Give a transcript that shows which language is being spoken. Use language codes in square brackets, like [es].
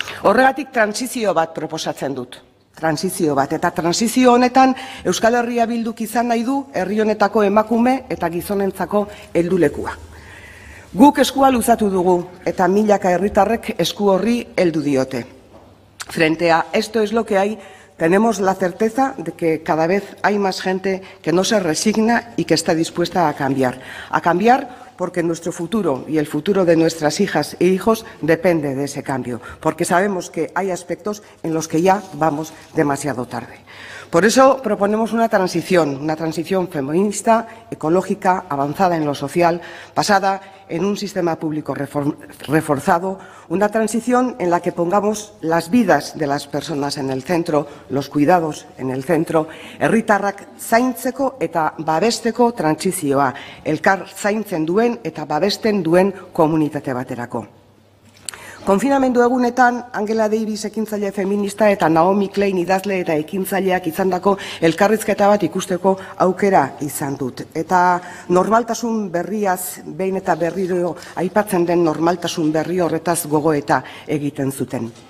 [eu] Horregatik transizio bat proposatzen dut. Transizio bat, eta transizio honetan Euskal Herria Bilduk izan nahi du herri honetako emakume eta gizonentzako heldulekua. Guk eskua luzatu dugu eta milaka herritarrek esku horri heldu diote. [es] Frente a esto es lo que hay, tenemos la certeza de que cada vez hay más gente que no se resigna y que está dispuesta a cambiar. A cambiar porque nuestro futuro y el futuro de nuestras hijas e hijos depende de ese cambio, porque sabemos que hay aspectos en los que ya vamos demasiado tarde. Por eso proponemos una transición feminista, ecológica, avanzada en lo social, basada en un sistema público reforzado, una transición en la que pongamos las vidas de las personas en el centro, los cuidados en el centro, [eu] herritarrak zaintzeko eta babesteko trantsizioa, elkar zaintzen duen eta babesten duen komunitate baterako. Konfinamendu egunetan, Angela Davis ekintzaile feminista eta Naomi Klein idazle eta ekintzaileak izandako elkarrizketa bat ikusteko aukera izan dut. Eta normaltasun berriaz, behin eta berriro aipatzen den normaltasun berri horretaz gogoeta egiten zuten.